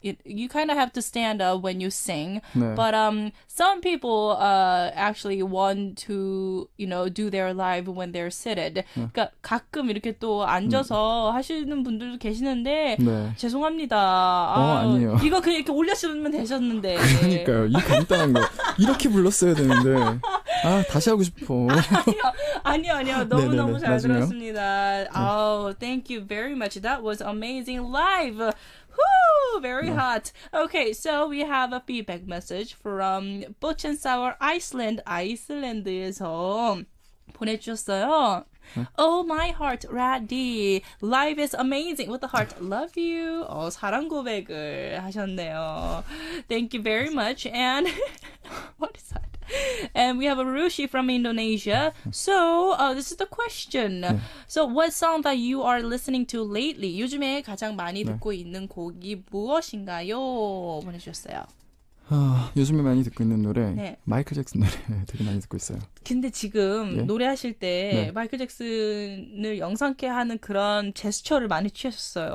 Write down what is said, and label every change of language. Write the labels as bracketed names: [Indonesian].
[English] You kind of have to stand up when you sing, [Korean] 네. [English] but some people actually want to, you know, do their live when they're seated. [Korean] 네. 그러니까 가끔 이렇게 또 앉아서 하시는 분들도 계시는데 네. 죄송합니다. 어, 아, 아니요. 이거 그냥 이렇게 올려주면 되셨는데. 그러니까요. 이 간단한 거 이렇게 불렀어야 되는데. 아, 다시 하고 싶어. 아니요, 아니요. 아니요. 너무 너무 잘 나중에요? 들었습니다. 네. [English] Oh, thank you very much. That was amazing live. Woo, very hot. Okay, so we have a feedback message from Butch and Sour Iceland. Iceland is home. [Korean] 보내주셨어요. [English] Oh, my heart, Ra.D. Life is amazing. With the heart, love you. [Korean] 어, 사랑 고백을 하셨네요. [English] Thank you very much. And what is that? And we have a Rushi from Indonesia. So, this is the question. 네. So, what song that you are listening to lately? [Korean] 요즘에 가장 많이 네. 듣고 있는 곡이 무엇인가요? 보내주셨어요. 아, 요즘에 많이 듣고 있는 노래 네. 마이클 잭슨 노래 되게 많이 듣고 있어요. 근데 지금 예? 노래하실 때 네. 마이클 잭슨을 영상케 하는 그런 제스처를 많이 취하셨어요.